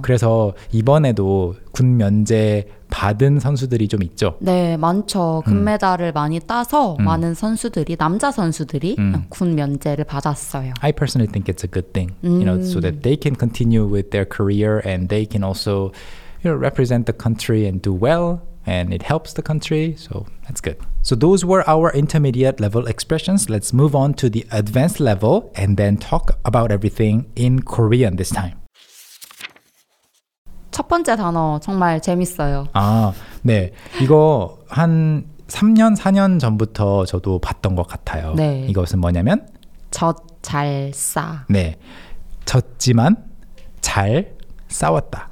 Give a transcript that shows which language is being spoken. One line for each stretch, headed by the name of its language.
Korean: 그래서 이번에도 군 면제 받은 선수들이 좀 있죠. 네, 많죠. 금메달을 많이 따서 많은 선수들이 남자 선수들이 군 면제를 받았어요.
English: I personally think it's a good thing. You know, so that they can continue with their career and they can also, you know, represent the country and do well. And it helps the country, so that's good. So those were our intermediate level expressions. Let's move on to the advanced level and then talk about everything in Korean this time.
Korean: 첫 번째 단어 정말 재밌어요. 아, 네. 이거 한 3년, 4년 전부터 저도 봤던 것 같아요. 네. 이것은 뭐냐면? 젖 잘 싸. 네. 젖지만 잘 싸웠다.